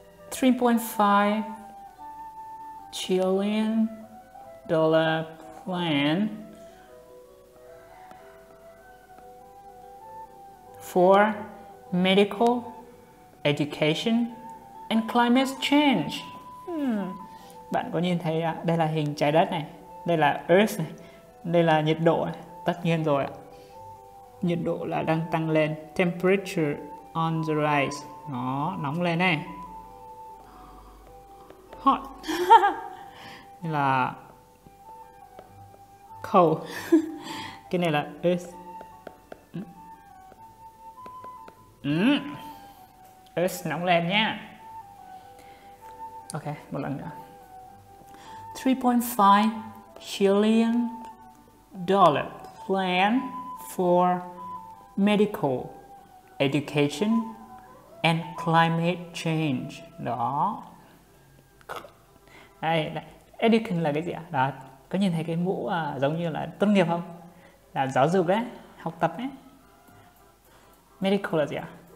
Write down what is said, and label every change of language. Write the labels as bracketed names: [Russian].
[English] 3.5 trillion dollar plan for medical, education and climate change. [Vietnamese] Bạn có nhìn thấy ạ? Đây là hình trái đất này, đây là Earth này, đây là nhiệt độ này. Tất nhiên rồi ạ. Nhiệt độ là đang tăng lên, [English] temperature on the rise. [Vietnamese] Nó nóng lên này. Hot. Là cold. Cái này là Earth. Earth nóng lên nha. Ok, một lần nữa. [English] 3.5 trillion dollar plan for medical, education and climate change. [Vietnamese] Đó. Đây, education là cái gì ạ? Đó, có nhìn thấy cái mũ à, giống như là tốt nghiệp không? Là giáo dục đấy, học tập đấy. Medical là gì ạ?